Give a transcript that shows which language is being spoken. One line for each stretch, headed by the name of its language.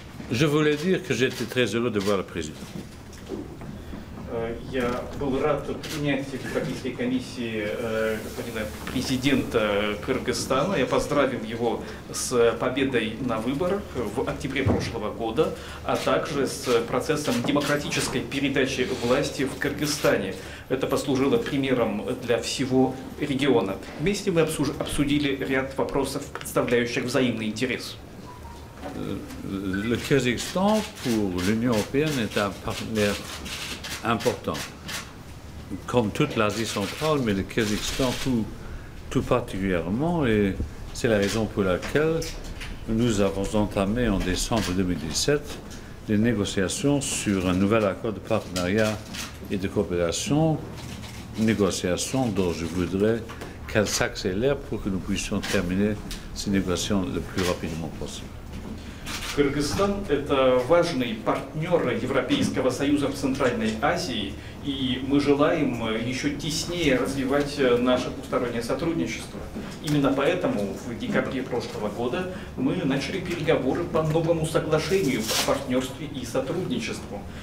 French: Je voulais dire que j'étais très heureux de voir le président.
Russian: Я был рад принять Европейской комиссии господина президента Кыргызстана. Я поздравил его с победой на выборах в октябре прошлого года, а также с процессом демократической передачи власти в Кыргызстане. Это послужило примером для всего региона. Вместе мы обсудили ряд вопросов, представляющих взаимный интерес.
French: Le Kazakhstan pour l'Union européenne est un partenaire important, comme toute l'Asie centrale, mais le Kazakhstan tout particulièrement, et c'est la raison pour laquelle nous avons entamé en décembre 2017 les négociations sur un nouvel accord de partenariat et de coopération, négociations dont je voudrais qu'elles s'accélèrent pour que nous puissions terminer ces négociations le plus rapidement possible.
Russian: Кыргызстан – это важный партнер Европейского Союза в Центральной Азии, и мы желаем еще теснее развивать наше двустороннее сотрудничество. Именно поэтому в декабре прошлого года мы начали переговоры по новому соглашению о партнерстве и сотрудничеству.